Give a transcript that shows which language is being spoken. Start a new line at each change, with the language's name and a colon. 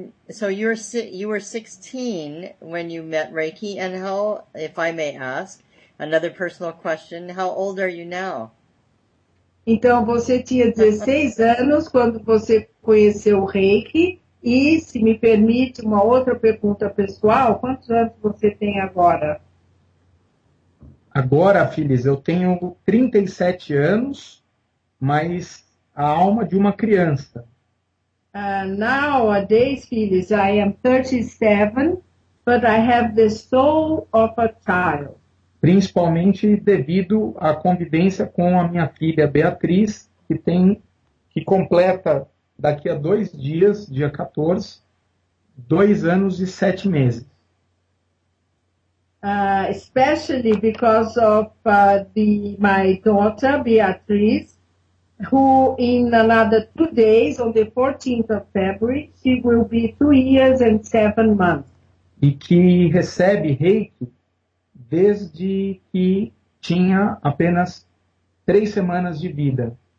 English: So you were 16 when you met Reiki, and how, if I may ask, another personal question, how old are you now?
Portuguese: Então você tinha 16 anos quando você conheceu o Reiki, e se me permite uma outra pergunta pessoal, quantos anos você tem agora? Agora, filhos, eu tenho 37 anos, mas a alma de uma criança.
English: Nowadays, filhos, I am 37, but I have the soul of a child.
Portuguese: Principalmente devido à convivência com a minha filha Beatriz, que completa daqui a 2 dias, dia 14, 2 anos e 7 meses.
English: Especially because of my daughter, Beatriz, who in another 2 days, on the 14th of February, she will be 2 years and 7 months.
Portuguese: E que recebe Reiki desde que tinha apenas 3 semanas de vida.